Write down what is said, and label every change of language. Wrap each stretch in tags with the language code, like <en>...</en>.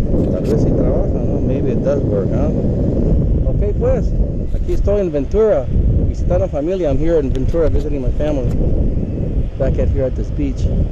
<es>Tal vez si trabaja, no,</es> <en>maybe it does work, huh?</en> <es>Ok, pues aquí estoy en Ventura. Visitando familia,</es> <en>I'm here in Ventura visiting my family. Back at here at this beach.</en>